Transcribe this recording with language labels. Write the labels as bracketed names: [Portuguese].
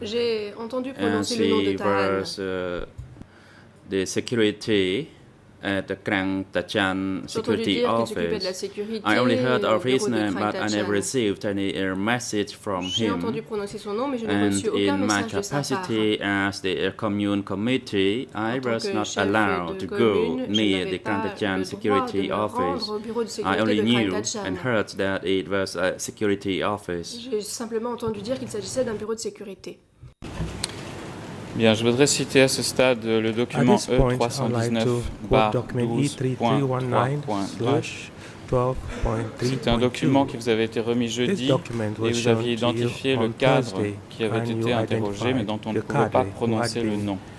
[French] J'ai entendu prononcer le nom de Ta Anh. [English] Was the security at the Krang Tachan security office. I only heard of his name, but I never received any message from him. [French] J'ai entendu prononcer son nom, mais je n'ai [English] and [French] reçu aucun message de sa part. [English] In my capacity as the commune committee, I was not allowed to go near the Krang Tachan security office. I only knew and heard that it was a security office. [French] J'ai simplement entendu dire qu'il s'agissait d'un bureau de sécurité. Bien, je voudrais citer à ce stade le document E319/12.3. C'est un document qui vous avait été remis jeudi et vous aviez identifié le cadre qui avait été interrogé mais dont on ne pouvait pas prononcer le nom.